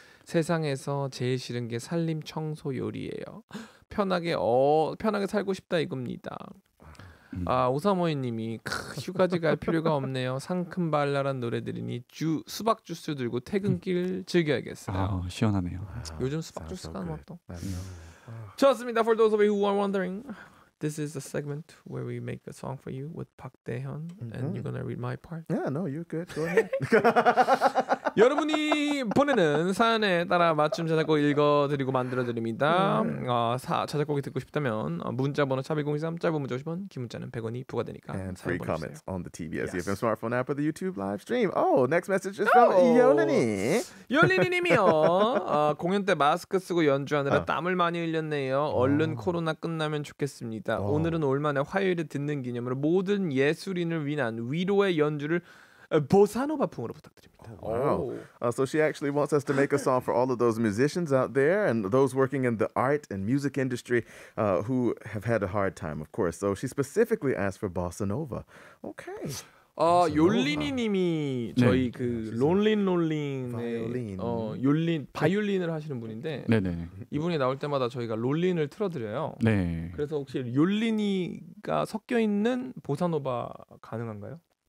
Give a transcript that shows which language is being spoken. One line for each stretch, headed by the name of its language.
Korean: 세상에서 제일 싫은 게 살림 청소 요리예요. 편하게 편하게 살고 싶다 이겁니다. 아 오사모이님이 휴가지 갈 필요가 없네요 상큼 발랄한 노래 들으니 수박 주스 들고 퇴근길 즐겨야겠어요 아, 시원하네요 요즘 수박 주스가 맛도 좋습니다
English: For those of you who are wondering This is a segment where we make a song for you with Park Dae-hyun, mm-hmm. and you're gonna read my part. Yeah, no, you're good. Go ahead.
Korean: 여러분이 보내는 사연에 따라 맞춤 저작곡 읽어드리고 만들어드립니다. 저작곡이 듣고 싶다면 문자번호 차비공이삼 짧은 문자 50원, 긴 문자는 100원이 부과되니까.
English: And free comments on the TBS EFM smartphone app or the YouTube live stream. Oh, next message is from Yolini.
Korean: Yolini님이요. 공연 때 마스크 쓰고 연주하느라 땀을 많이 흘렸네요. 얼른 코로나 끝나면 좋겠습니다. 오늘은 올만에 화요일에 듣는 기념으로 모든 예술인을 위한 위로의 연주를 보사노바 풍으로 부탁드립니다.
English: So she actually wants us to make a song for all of those musicians out there and those working in the art and music industry who have had a hard time, of course. So she specifically asked for bossa nova. Okay.
Korean: 요린이님이 저희 그 롤린 롤린의 요린 바이올린을 하시는 분인데 네네. 이분이 나올 때마다 저희가 롤린을 틀어드려요. 네. 그래서 혹시 요린이가 섞여 있는 보사노바 가능한가요?